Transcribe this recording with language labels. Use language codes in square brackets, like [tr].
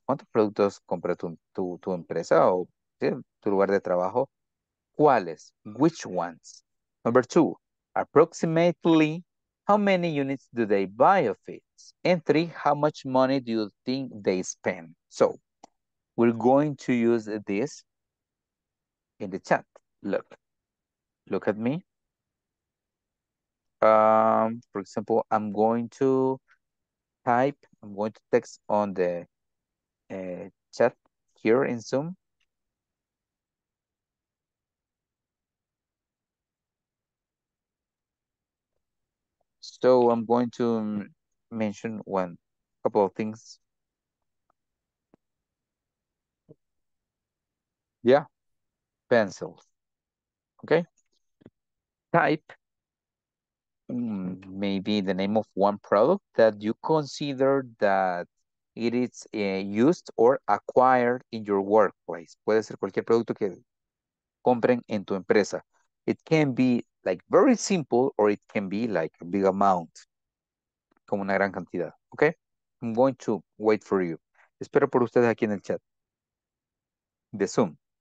[es] ¿Cuántos productos compra tu empresa o tu lugar de trabajo? [en] ¿Cuáles? Which ones? Number 2. Approximately, how many units do they buy of it? And 3. How much money do you think they spend? So, we're going to use this in the chat. Look. Look at me. For example, I'm going to type, I'm going to text on the chat here in Zoom. So I'm going to mention one couple of things. Yeah, pencils. Okay. Type maybe the name of one product that you consider that it is used or acquired in your workplace. [es] Puede ser cualquier producto que compren en tu empresa. [en] It can be like very simple or it can be like a big amount, [es] como una gran cantidad. [en] Okay, I'm going to wait for you. [es] Espero por ustedes aquí en el chat de Zoom.